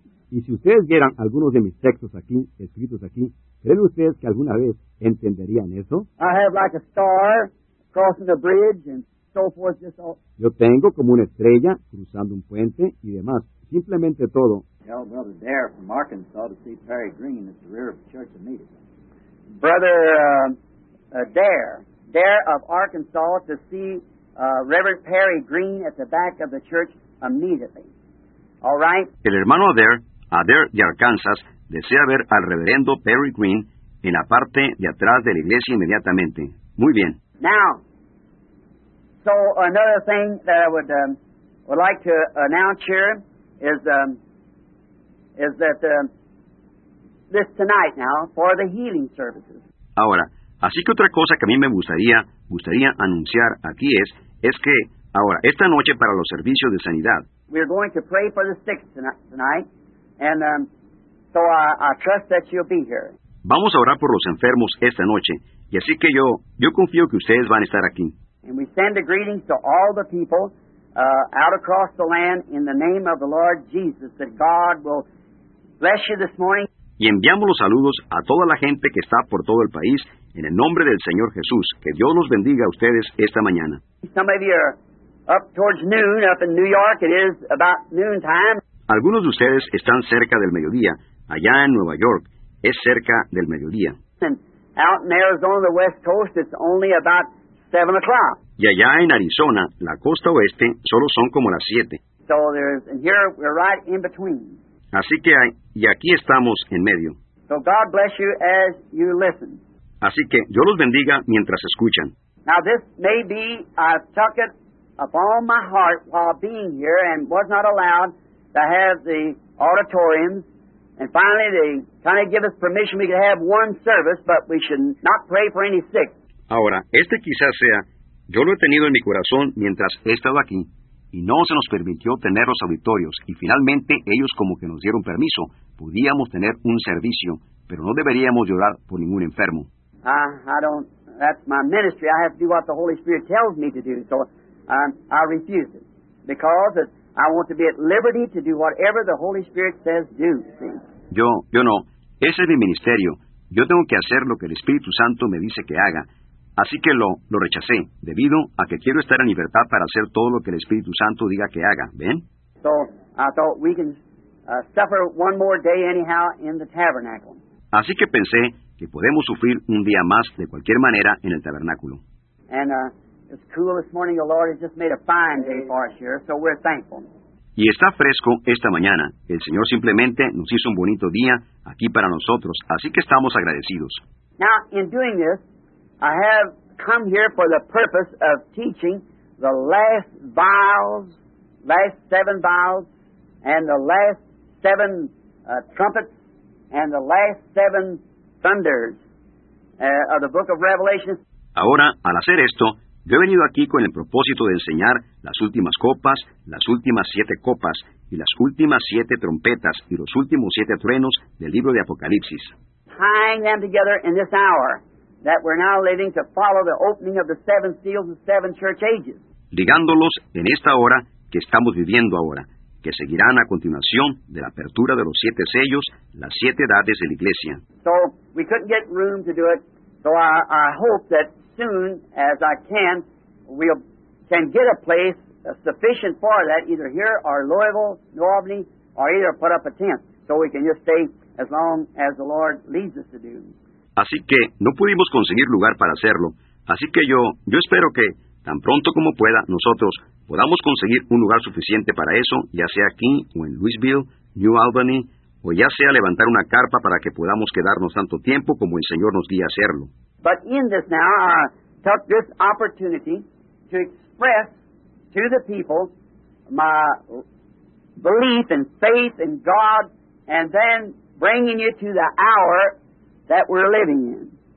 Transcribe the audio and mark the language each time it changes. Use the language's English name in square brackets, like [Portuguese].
[Spanish] Y si ustedes vieran algunos de mis textos aquí, escritos aquí, ¿creen ustedes que alguna vez entenderían eso? [English] I have like a star crossing the bridge and so forth. Just all. [Spanish] Yo tengo como una estrella cruzando un puente y demás. Simplemente todo. [English] Tell Brother Dare from Arkansas to see Perry Green at the rear of the church immediately. Brother Dare of Arkansas to see Reverend Perry Green at the back of the church immediately. All right? [Spanish] El hermano Dare de Arkansas, desea ver al reverendo Perry Green en la parte de atrás de la iglesia inmediatamente. Muy bien. [English] Now, so another thing that I would like to announce here is that this tonight now for the healing services. [Spanish] Ahora, así que otra cosa que a mí me gustaría anunciar aquí es que ahora esta noche para los servicios de sanidad. [English] We're going to pray for the sick tonight, and so I trust that you'll be here. [Spanish] Vamos a orar por los enfermos esta noche, y así que yo confío que ustedes van a estar aquí. [English] And we send a greeting to all the people out across the land in the name of the Lord Jesus, that God will bless you this morning. [Spanish] Y enviamos los saludos a toda la gente que está por todo el país en el nombre del Señor Jesús. Que Dios los bendiga a ustedes esta mañana. [English] Some of you are up towards noon up in New York. It is about noontime. [Spanish] Algunos de ustedes están cerca del mediodía. Allá en Nueva York es cerca del mediodía. [English] And out in Arizona, the west coast, it's only about 7 o'clock. [Spanish] Y allá en Arizona, la costa oeste, solo son como las 7. [English] So there's, and here we're right in between. [Spanish] Así que y aquí estamos en medio. [English] So God bless you as you listen. [Spanish] Así que yo los bendiga mientras escuchan. [English] Now this may be, I've tucked it upon my heart while being here and was not allowed. to have the auditoriums. And finally, they kind of give us permission we could have one service, but we should not pray for any sick. [Spanish] Ahora, este quizás sea, yo lo he tenido en mi corazón mientras he estado aquí, y no se nos permitió tener los auditorios, y finalmente ellos como que nos dieron permiso, podíamos tener un servicio, pero no deberíamos llorar por ningún enfermo. [English] That's my ministry. I have to do what the Holy Spirit tells me to do, so I refuse it, because it's, I want to be at liberty to do whatever the Holy Spirit says do. [Spanish] Yo no. Ese es mi ministerio. Yo tengo que hacer lo que el Espíritu Santo me dice que haga. Así que lo rechacé, debido a que quiero estar en libertad para hacer todo lo que el Espíritu Santo diga que haga. ¿Ven? [English] So, I thought we can suffer one more day anyhow in the tabernacle. [Spanish] Así que pensé que podemos sufrir un día más de cualquier manera en el tabernáculo. [English] And, it's cool this morning. The Lord has just made a fine day for us here, so we're thankful. [Spanish] Y está fresco esta mañana. El Señor simplemente nos hizo un bonito día aquí para nosotros, así que estamos agradecidos. [English] Now, in doing this, I have come here for the purpose of teaching the last vials, last seven vials, and the last seven trumpets, and the last seven thunders of the book of Revelation. [Spanish] Ahora, al hacer esto, yo he venido aquí con el propósito de enseñar las últimas copas, las últimas siete copas, y las últimas siete trompetas, y los últimos siete truenos del libro de Apocalipsis. [English] Tying them together in this hour that we're now living to follow the opening of the seven seals of seven church ages. [Spanish] Ligándolos en esta hora que estamos viviendo ahora, que seguirán a continuación de la apertura de los siete sellos, las siete edades de la iglesia. [English] So, we couldn't get room to do it, so I hope that soon as I can, can get a place sufficient for that, either here or Louisville, New Albany, or either put up a tent, so we can just stay as long as the Lord leads us to do. [Spanish] Así que no pudimos conseguir lugar para hacerlo. Así que yo espero que, tan pronto como pueda, nosotros podamos conseguir un lugar suficiente para eso, ya sea aquí o en Louisville, New Albany, o ya sea levantar una carpa para que podamos quedarnos tanto tiempo como el Señor nos guíe a hacerlo. [English] But in this now, I took this opportunity to express to the people my belief and faith in God, and then bringing you to the hour that we're living in.